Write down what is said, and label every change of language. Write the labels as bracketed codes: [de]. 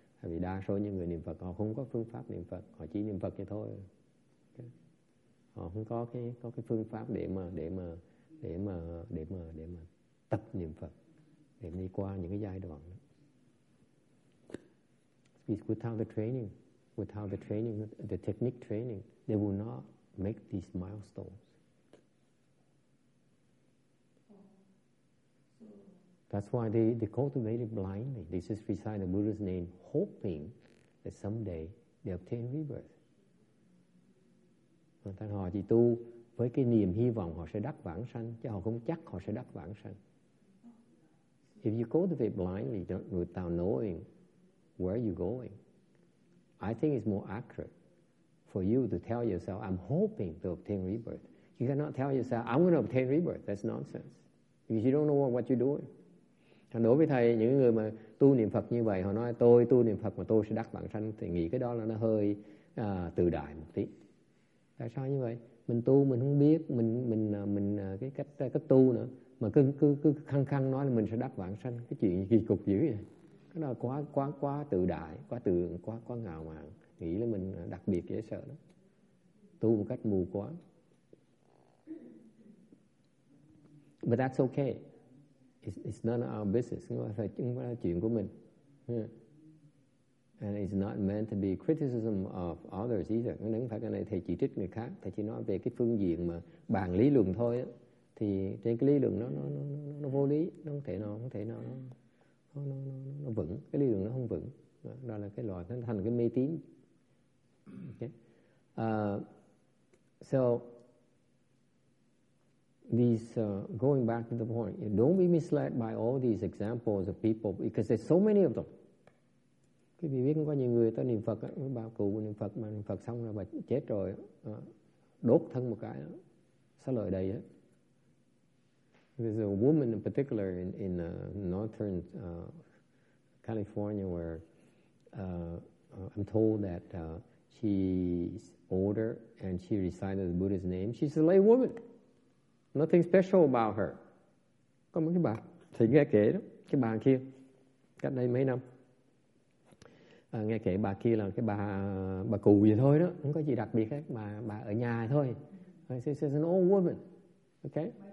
[vi] Tại vì đa số những người niệm Phật họ không có phương pháp niệm Phật. Họ chỉ niệm Phật như thôi. Họ không có cái phương pháp để mà tập niệm Phật. Để đi qua những cái giai đoạn đó. [en] It's without the training. Without the training, the technique training, they will not make these milestones. That's why they cultivate it blindly. They just recite the Buddha's name, hoping that someday they obtain rebirth. [vi] Thành họ chỉ tu với cái niềm hy vọng họ sẽ đắc vãng sanh, chứ họ không chắc họ sẽ đắc vãng sanh. [en] If you cultivate blindly without knowing where you're going, I think it's more accurate for you to tell yourself, I'm hoping to obtain rebirth. You cannot tell yourself, I'm going to obtain rebirth. That's nonsense. Because you don't know what you're doing. [vi] Thành đối với thầy, những người mà tu niệm Phật như vậy, họ nói tôi tu niệm Phật mà tôi sẽ đắc vãng sanh, thì nghĩ cái đó là nó hơi từ đại một tí. Tại sao như vậy? Mình tu mình không biết, mình cái cách tu nữa, mà cứ khăng khăng nói là mình sẽ đắc vãng sanh, cái chuyện kỳ cục dữ vậy. Cái đó là quá tự đại, quá ngạo mạn, nghĩ là mình đặc biệt dễ sợ đó. Tu một cách mù quáng. [en] But that's okay. It's none of our business. [vi] Chúng ta chuyện của mình. [en] And it's not meant to be criticism of others either. [vi] Nếu phải cái này thầy chỉ trích người khác, thầy chỉ nói về cái phương diện mà bàn lý luận thôi. Thì trên cái lý luận nó vô lý, nó không thể nó vững, cái lý luận nó không vững. Đó là cái loại nó thành cái mê tín. [en] Okay. So these going back to the point, don't be misled by all these examples of people because there's so many of them. [vi] Quý vị biết có nhiều người ta niệm Phật, bà cụ niệm Phật, mà niệm Phật xong rồi bà chết rồi, đốt thân một cái, xá lợi đầy. [en] There's a woman in particular in Northern California where I'm told that she's older and she recited the Buddha's name. She's a lay woman. Nothing special about her. [vi] Có một cái bà, thầy nghe kể đó, cái bà kia, cách đây mấy năm. Nghe kể bà kia là cái bà cụ gì thôi đó, không có gì đặc biệt hết, bà ở nhà thôi. [en] She's an old woman, okay?